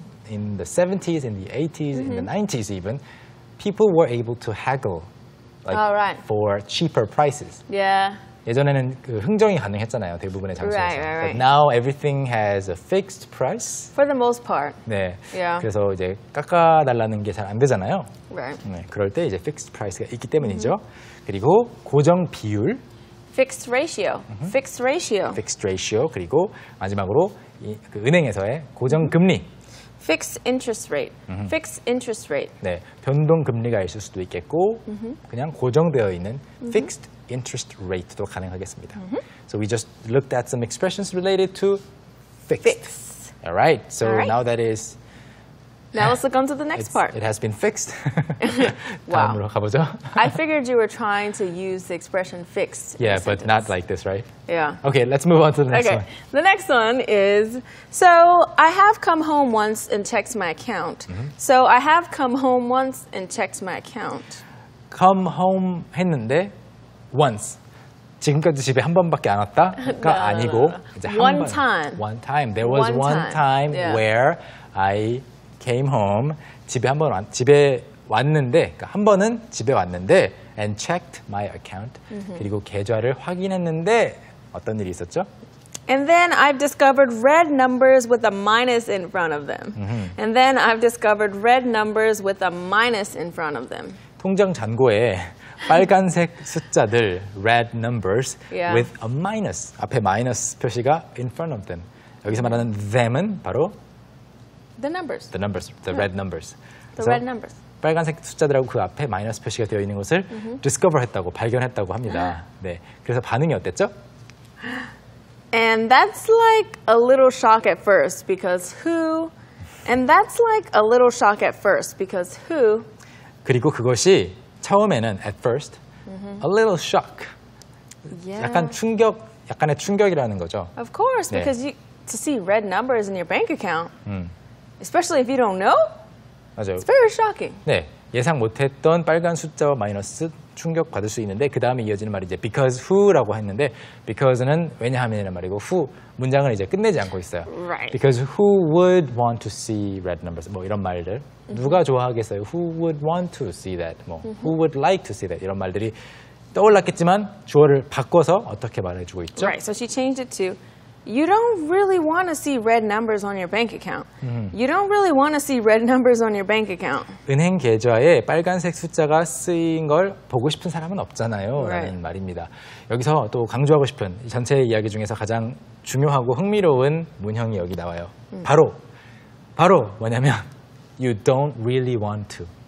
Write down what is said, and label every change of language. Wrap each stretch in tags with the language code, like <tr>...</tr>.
<en>in the 70s, in the 80s, mm-hmm. in the 90s even, people were able to haggle like, oh, right. for cheaper prices. Yeah.</en> <ko>예전에는 그 흥정이 가능했잖아요, 대부분의 장소에서.</ko> <en>Right, right, right. But now everything has a fixed price. For the most part.</en> <ko>네.</ko> <en>Yeah.</en> <ko>그래서 이제 깎아달라는 게 잘 안 되잖아요.</ko> <en>Right.</en> <ko>네. 그럴 때 이제 fixed price가 있기 때문이죠. Mm-hmm. 그리고 고정 비율.</ko> <en>Fixed ratio. Mm-hmm. Fixed ratio. Fixed ratio.</en> <ko>그리고 마지막으로 이, 그 은행에서의 고정금리.</ko> <en>Fixed interest rate. Mm-hmm. Fixed interest rate.</en> <ko>네, 변동금리가 있을 수도 있겠고</ko> <en>mm-hmm.</en> <ko>그냥 고정되어 있는 mm-hmm. fixed interest rate도 가능하겠습니다.</ko> <en>Mm-hmm. So we just looked at some expressions related to fixed. Fixed. All right. So All right. now that is... Now let's look on to the next part. It has been fixed.</en> <ko>다음으로 가보죠.</ko> <en>I figured you were trying to use the expression fixed. Yeah, but not like this, right? Yeah. Okay, let's move on to the next okay. one. The next one is, so I have come home once and checked my account. Mm-hmm. So I have come home once and checked my account. Come home 했는데 once.</en> <ko>지금까지 집에 한 번밖에 안 왔다가</ko> <en>no,</en> <ko>아니고 이제 한</ko> <en>one</en> <ko>번.</ko> <en>Time. One time. There was one time, time yeah. where I... came home,</en> <ko>집에 한번 집에 왔는데, 그러니까 한 번은 집에 왔는데,</ko> <en>and checked my account, mm-hmm.</en> <ko>그리고 계좌를 확인했는데, 어떤 일이 있었죠?</ko> <en>And then I've discovered red numbers with a minus in front of them. Mm-hmm. And then I've discovered red numbers with a minus in front of them.</en> <ko>통장 잔고에 빨간색 숫자들, red numbers,</ko> <en>yeah. with a minus,</en> <ko>앞에</ko> <en>minus</en> <ko>표시가</ko> <en>in front of them.</en> <ko>여기서 말하는 them은 바로</ko> <en>The numbers. The numbers. The yeah. red numbers. The red numbers.</en> <ko>빨간색 숫자들하고 그 앞에 마이너스 표시가 되어 있는 것을</ko> <en>mm-hmm.</en> <ko>discover 했다고, 발견했다고 합니다. 네. 그래서 반응이 어땠죠?</ko> <en>And that's like a little shock at first because who? And that's like a little shock at first because who?</en> <ko>그리고 그것이 처음에는 at first</ko> <en>mm-hmm. a little shock. Yeah.</en> <ko>약간 충격, 약간의 충격이라는 거죠.</ko> <en>Of course, because 네. you, to see red numbers in your bank account. Especially if you don't know,</en> <ko>맞아요.</ko> <en>it's very shocking.</en> <ko>네, 예상 못했던 빨간 숫자와 마이너스 충격 받을 수 있는데 그 다음에 이어지는 말이 이제 because who라고 했는데 because는 왜냐하면이라는 말이고 who 문장은 이제 끝내지 않고 있어요.</ko> <en>Right. Because who would want to see red numbers?</en> <ko>뭐 이런 말들</ko> <en>mm-hmm.</en> <ko>누가 좋아하겠어요?</ko> <en>Who would want to see that?</en> <ko>뭐</ko> <en>mm-hmm. who would like to see that?</en> <ko>이런 말들이 떠올랐겠지만 주어를 바꿔서 어떻게 말해주고 있죠?</ko> <en>Right. So she changed it to you don't really want to see red numbers on your bank account. You don't really want to see red numbers on your bank account.</en> <ko>은행 계좌에 빨간색 숫자가 쓰인 걸 보고 싶은 사람은 없잖아요. Right. 라는 말입니다. 여기서 또 강조하고 싶은 전체 이야기 중에서 가장 중요하고 흥미로운 문형이 여기 나와요. 바로 뭐냐면</ko> <en>you don't really want to.</en>